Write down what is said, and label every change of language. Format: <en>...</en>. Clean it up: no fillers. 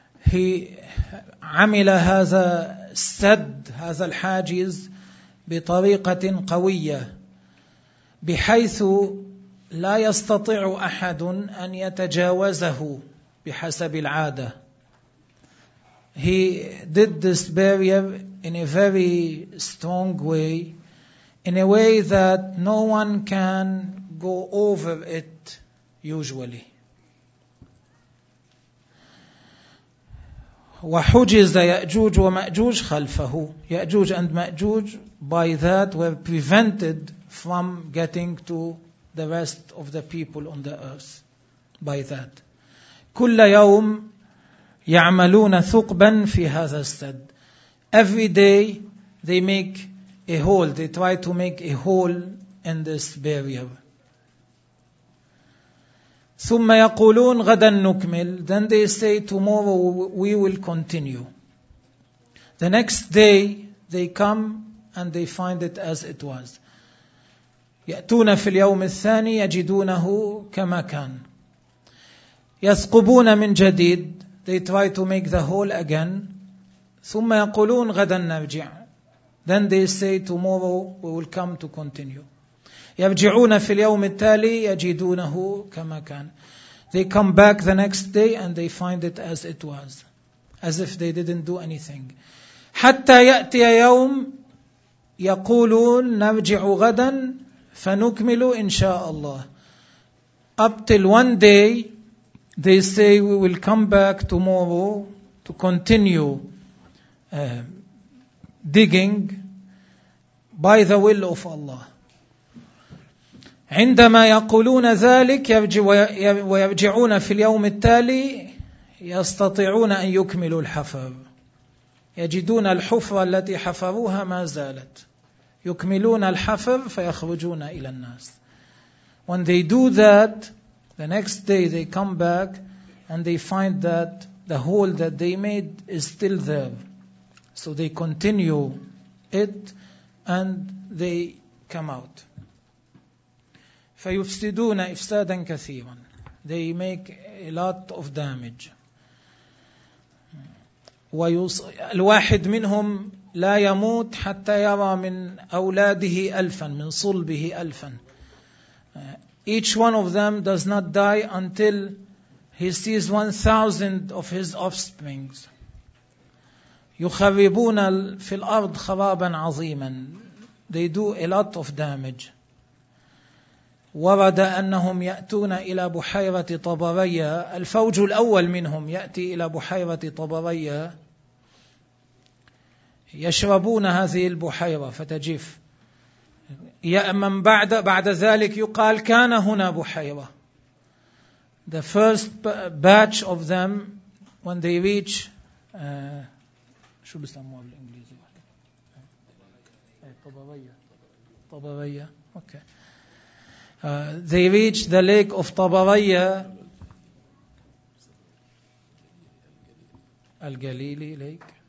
<en>He</en> <ar>عمل هذا السد, هذا الحاجز, بطريقة قوية, بحيث لا يستطيع أحد أن يتجاوزه بحسب العادة.</ar> <en>He did this barrier in a very strong way, in a way that no one can go over it usually.</en> <ar>وحجز يأجوج ومأجوج خلفه.</ar> <en>يأجوج and مأجوج by that were prevented from getting to the rest of the people on the earth by that.</en> <ar>كل يوم يعملون ثقبا في هذا السد.</ar> <en>Every day they make a hole, they try to make a hole in this barrier.</en> <ar>ثم يقولون غدا نكمل.</ar> <en>Then they say tomorrow we will continue. The next day they come and they find it as it was.</en> <ar>يأتون في اليوم الثاني يجدونه كما كان. يثقبون من جديد.</ar> <en>They try to make the hole again.</en> <ar>ثم يقولون غدا نرجع.</ar> <en>Then they say tomorrow we will come to continue.</en> <ar>يرجعون في اليوم التالي يجدونه كما كان.</ar> <en>They come back the next day and they find it as it was, as if they didn't do anything.</en> <ar>حتى يأتي يوم يقولون نرجع غدا فنكمل إن شاء الله.</ar> <en>Up till one day they say we will come back tomorrow to continue digging by the will of Allah.</en> <ar>عندما يقولون ذلك ويرجعون في اليوم التالي يستطيعون أن يكملوا الحفر. يجدون الحفرة التي حفروها ما زالت. يكملون الحفر فيخرجون إلى الناس.</ar> <en>When they do that, the next day they come back and they find that the hole that they made is still there. So they continue it and they come out.</en> <ar>فيفسدون إفسادا كثيرا.</ar> <en>They make a lot of damage.</en> <ar>الواحد منهم لا يموت حتى يرى من أولاده ألفا, من صلبه ألفا.</ar> <en>Each one of them does not die until he sees 1,000 of his offsprings.</en> <ar>يخربون في الأرض خرابا عظيما.</ar> <en>They do a lot of damage.</en> <ar>ورد أنهم يأتون إلى بحيرة طبرية. الفوج الأول منهم يأتي إلى بحيرة طبرية. يشربون هذه البحيرة فتجف. يأمن بعد ذلك يقال كان هنا بحيرة.</ar> <en>The first batch of them, when they reach, should be some more English.</en> <ar>طبرية. Okay.</ar> <en>They reach the lake of Tabaraya Al-Galili lake.</en>